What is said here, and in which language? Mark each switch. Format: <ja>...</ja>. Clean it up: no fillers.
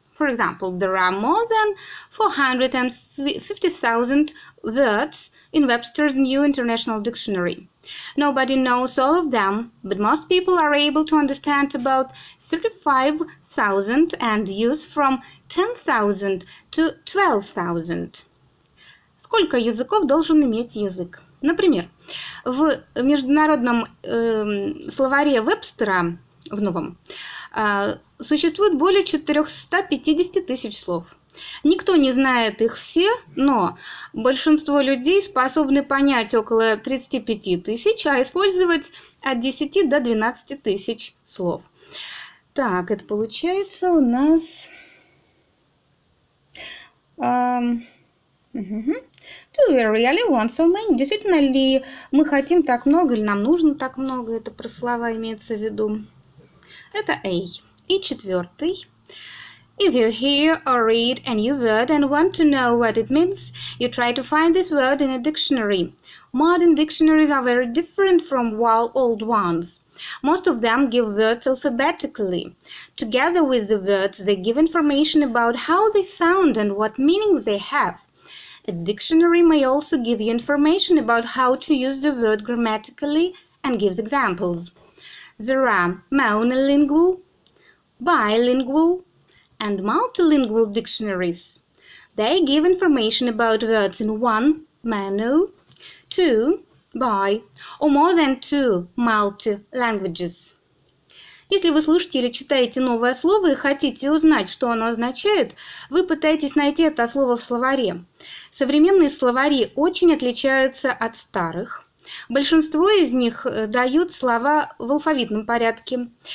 <en>For example, there are more than 450,000 words in Webster's New International Dictionary. Nobody knows all of them, but most people are able to understand about 35,000 and use from 10,000 to 12,000.</en> <ru>Сколько языков должен иметь язык? Например, в международном словаре Вебстера, в новом, существует более 450 тысяч слов. Никто не знает их все, но большинство людей способны понять около 35 тысяч, а использовать от 10 до 12 тысяч слов. Так, это получается у нас... Do we really want so many? Действительно ли мы хотим так много или нам нужно так много? Это про слова имеется в виду. Это A. И четвертый.</ru> <en>If you hear or read a new word and want to know what it means, you try to find this word in a dictionary. Modern dictionaries are very different from old ones. Most of them give words alphabetically. Together with the words, they give information about how they sound and what meanings they have. A dictionary may also give you information about how to use the word grammatically and gives examples. There are monolingual, bilingual, and multilingual dictionaries. They give information about words in one, mono, two, bi, or more than two multi languages.</en> <ru>Если вы слышите или читаете новое слово и хотите узнать, что оно означает, вы пытаетесь найти это слово в словаре. Современные словари очень отличаются от старых. Большинство из них дают слова в алфавитном порядке.</ru>